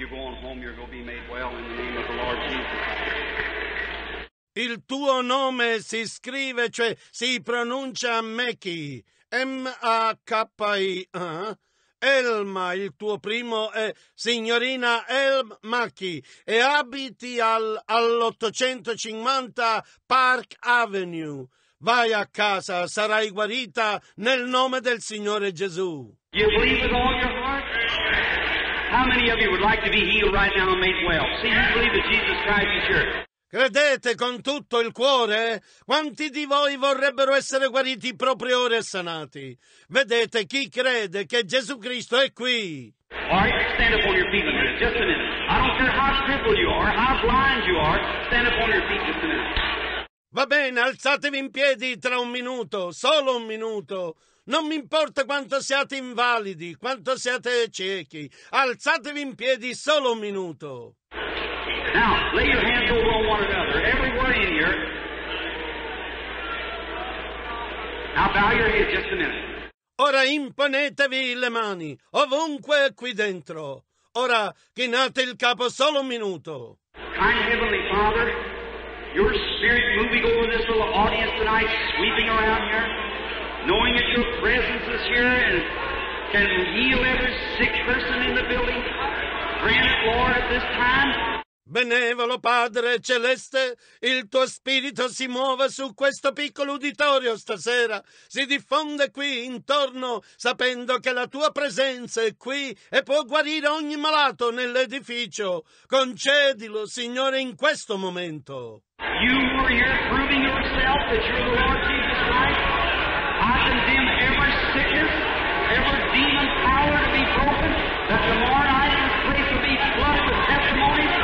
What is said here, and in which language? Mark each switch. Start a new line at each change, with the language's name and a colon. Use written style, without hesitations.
English: You go on home, you're going to be made well in the name of the Lord Jesus.
Italian: Il tuo nome si scrive, cioè si pronuncia Mackey, M-A-K-I, Elma, il tuo primo è signorina Elma Mackey e abiti all'850 Park Avenue. Vai a casa, sarai guarita nel nome del Signore Gesù.
English: You believe with all your heart? How many of you would like to be healed right now and made well? See, you believe that Jesus Christ is here.
Italian: Credete con tutto il cuore? Quanti di voi vorrebbero essere guariti proprio ora e sanati? Vedete, chi crede che Gesù Cristo è qui?
English: All right, stand up on your feet a minute, just a minute. I don't care how crippled you are, how blind you are, stand up on your feet just a minute.
Italian: Va bene, alzatevi in piedi tra un minuto, solo un minuto. Non mi importa quanto siate invalidi, quanto siate ciechi. Alzatevi in piedi solo un minuto.
English: Now, lay your hands over on one another, everywhere in here. Now bow your head just a minute.
Italian: Ora imponetevi le mani, ovunque qui dentro. Ora chinate il capo solo un minuto.
English: Kind Heavenly Father, your spirit moving over this little audience tonight, sweeping around here, knowing that your presence is here and can heal every sick person in the building. Grant it, Lord, at this time.
Italian: Benevolo Padre Celeste, il tuo spirito si muove su questo piccolo uditorio stasera, si diffonde qui intorno sapendo che la tua presenza è qui e può guarire ogni malato nell'edificio. Concedilo, Signore, in questo momento.
English: You were here proving yourself that you're the Lord Jesus Christ. I condemn every sickness, every demon power to be broken, that tomorrow night in place will be flooded with testimony.